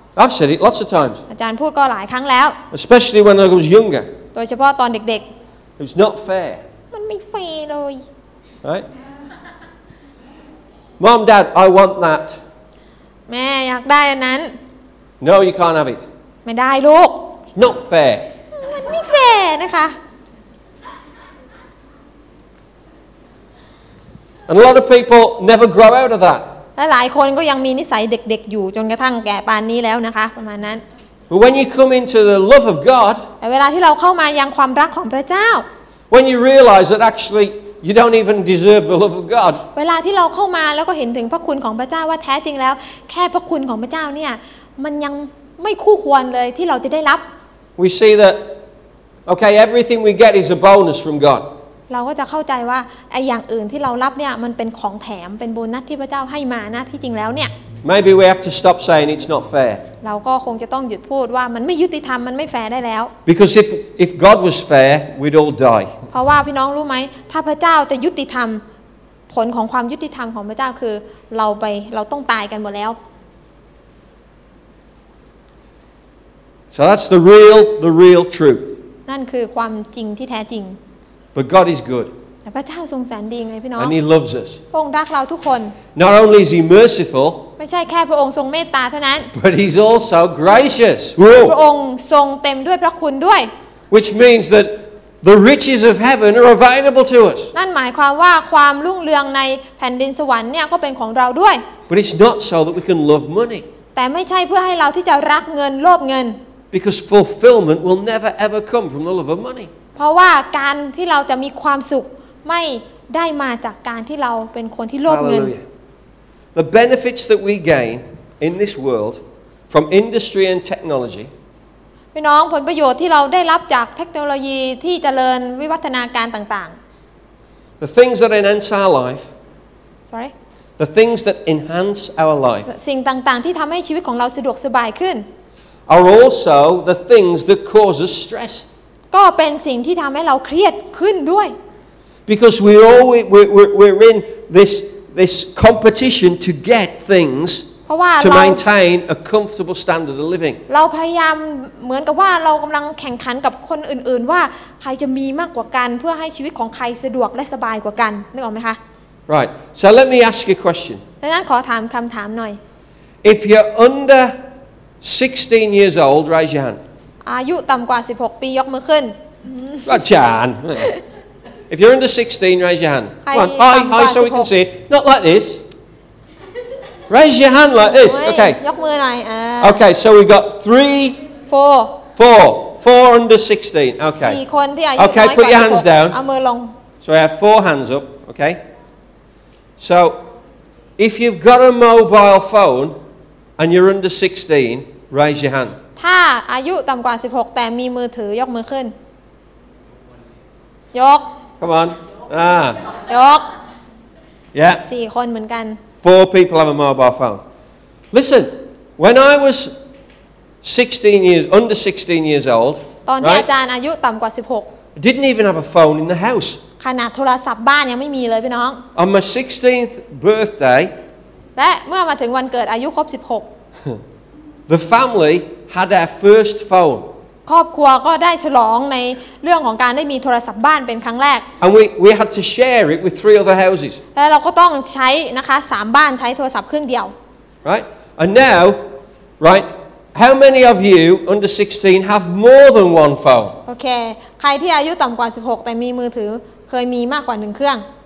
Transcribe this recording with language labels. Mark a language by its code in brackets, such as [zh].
[en] I've said it lots of times [th] อาจารย์พูดก็หลายครั้งแล้ว [en] Especially when I was younger [th] โดยเฉพาะตอนเด็ก [en] ๆ It's not fair [th] มันไม่แฟร์เลย [en] Right? Mom, Dad, I want that [th] แม่อยากได้อันนั้น [en] No, you can't have it [th] ไม่ได้ลูก [en] It's not fair [th] ไม่แฟร์นะคะ [en] And a lot of people never grow out of that [th] หลายคนก็ยังมีนิสัยเด็กๆอยู่จนกระทั่งแก่ปานนี้แล้วนะคะประมาณนั้น [en] But when you come into the love of God [th] แต่เวลาที่เราเข้ามายังความรักของพระเจ้า [en] When you realize that actually you don't even deserve the love of God [th] เวลาที่เราเข้ามาแล้วก็เห็นถึงพระคุณของพระเจ้าว่าแท้จริงแล้วแค่พระคุณของพระเจ้าเนี่ยมันยังไม่คู่ควรเลยที่เราจะได้รับ [en] We see thatOkay, everything we get is a bonus from God. [th] เราก็จะเข้าใจว่าไอ้อย่างอื่นที่เรารับเนี่ยมันเป็นของแถมเป็นโบนัสที่พระเจ้าให้มานะที่จริงแล้วเนี่ย [en] Maybe we have to stop saying it's not fair. [th] เราก็คงจะต้องหยุดพูดว่ามันไม่ยุติธรรมมันไม่แฟร์ได้แล้ว [en] Because if God was fair, we'd all die. [th] เพราะว่าพี่น้องรู้ไหมถ้าพระเจ้าจะยุติธรรมผลของความยุติธรรมของพระเจ้าคือเราต้องตายกันหมดแล้ว [en] So that's the real truth. [th] นั่นคือความจริงที่แท้จริง [en] But God is good [th] แต่พระเจ้าทรงแสนดีไงพี่น้อง [en] And he loves us [th] พระองค์รักเราทุกคน [en] Not only is he merciful [th] ไม่ใช่แค่พระองค์ทรงเมตตาเท่านั้น [en] But he's also gracious [th] พระองค์ทรงเต็มด้วยพระคุณด้วย [en] Which means that the riches of heaven are available to us [th] นั่นหมายความว่าความรุ่งเรืองในแผ่นดินสวรรค์เนี่ยก็เป็นของเราด้วย [en] But it's not so that we can love money [th] แต่ไม่ใช่เพื่อให้เราที่จะรักเงินโลภเงิน [en] Because fulfillment will never ever come from the love of money. [th] เพราะว่าการที่เราจะมีความสุขไม่ได้มาจากการที่เราเป็นคนที่โลภเงิน [en] The benefits that we gain in this world from industry and technology. [th] พี่น้องผลประโยชน์ที่เราได้รับจากเทคโนโลยีที่เจริญวิวัฒนาการต่าง [en] ๆ The things that enhance our life. Sorry. The things that enhance our life. [th] สิ่งต่างๆที่ทำให้ชีวิตของเราสะดวกสบายขึ้น [en] Are also the things that cause us stress. [th] ก็เป็นสิ่งที่ทำให้เราเครียดขึ้นด้วย [en] Because we're in this competition to get things to maintain a comfortable standard of living. [th] เราพยายามเหมือนกับว่าเรากำลังแข่งขันกับคนอื่นๆว่าใครจะมีมากกว่ากันเพื่อให้ชีวิตของใครสะดวกและสบายกว่ากันนึกออกไหมคะ [en] Right. So let me ask you a question. [th] ดังนั้นขอถามคำถามหน่อย [en] If you're under 16 years old, raise your hand. [th] อายุต่ำกว่า16ปียกมือขึ้น [en] Rajan. If you're under 16, raise your hand. Come on, hi, hi, so we can see it. Not like this. Raise your hand like this. Okay. Okay, so we've got three. Four. Four under 16. Okay. Okay, put your hands down. So I have four hands up. Okay. So if you've got a mobile phone and you're under 16, raise your hand. [th] ถ้าอายุต่ำกว่า16แต่มีมือถือยกมือขึ้นยก [en] Come on [th] ยก [en] Yeah [th] 4คนเหมือนกัน [en] 4 people have a mobile phone Listen when I was 16 years under 16 years old [th] ตอนที่อาจารย์อายุต่ำกว่า16 [en] didn't even have a phone in the house [th] ขนาดโทรศัพท์บ้านยังไม่มีเลยพี่น้อง [en] On my 16th birthday [th] และเมื่อมาถึงวันเกิดอายุครบ16 [en] The familyhad our first phone [th] ครอบครัวก็ได้ฉลองในเรื่องของการได้มีโทรศัพท์บ้านเป็นครั้งแรก [en] and we had to share it with three other houses [th] แล้วเราก็ต้องใช้นะคะ3บ้านใช้โทรศัพท์เครื่องเดียว [en] right and now right how many of you under 16 have more than one phone [th] okay ใครที่อายุต่ำกว่า16แต่มีมือถือเคยมีมากกว่า1เครื่อง